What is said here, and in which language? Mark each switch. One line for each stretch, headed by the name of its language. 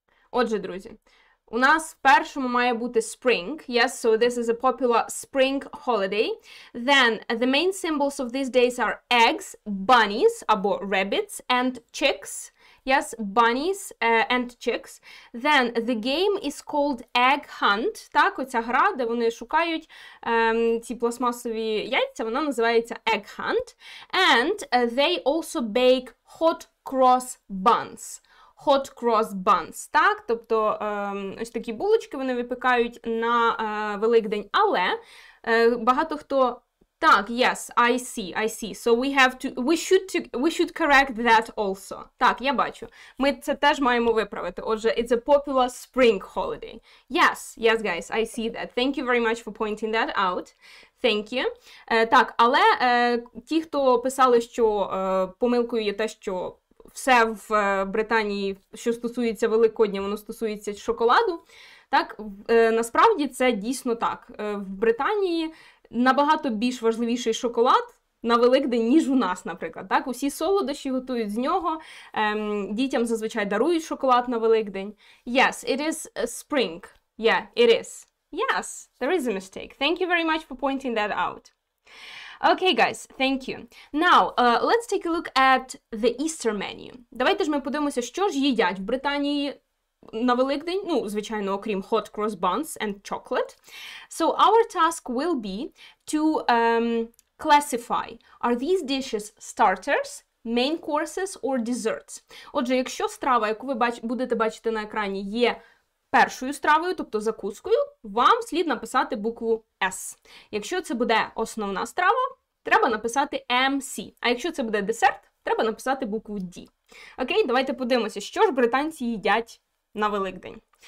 Ukrainian: Отже, друзі, у нас в першому має бути spring.
English: Yes, so this is a popular spring holiday. Then, the main symbols of these days are eggs, bunnies,
Ukrainian: або
English: rabbits, and chicks. Yes, bunnies and chicks. Then the game is called egg hunt.
Ukrainian: Так, оця гра, де вони шукають ці пластмасові яйця, вона називається egg hunt.
English: And they also bake hot cross buns. Hot cross buns,
Ukrainian: так? Тобто ось такі булочки вони випікають на Великдень. Але багато хто... Так,
English: yes, I see. So we should correct that also.
Ukrainian: Так, я бачу. Ми це теж маємо виправити. Отже,
English: it's a popular spring holiday. Yes, guys, I see that. Thank you very much for pointing that out. Thank you.
Ukrainian: Так, але ті, хто писали, що помилкою є те, що все в Британії, що стосується Великодня, воно стосується шоколаду. Так, насправді це дійсно так. В Британії набагато більш важливіший шоколад на Великдень, ніж у нас, наприклад. Так, усі солодощі готують з нього, дітям зазвичай дарують шоколад на Великдень.
English: Yes, it is spring. Yeah, it is. Yes, there is a mistake. Thank you very much for pointing that out. Okay, guys, thank you. Now, let's take a look at the Easter menu.
Ukrainian: Давайте ж ми подивимося, що ж їдять в Британії на Великдень, ну, звичайно, окрім
English: hot cross buns and chocolate. So, our task will be to classify. Are these dishes starters, main courses or desserts?
Ukrainian: Отже, якщо страва, яку ви будете бачити на екрані, є першою стравою, тобто закускою, вам слід написати букву S. Якщо це буде основна страва, треба написати MC. А якщо це буде десерт, треба написати букву D. Окей, давайте подивимося, що ж британці їдять на Великдень.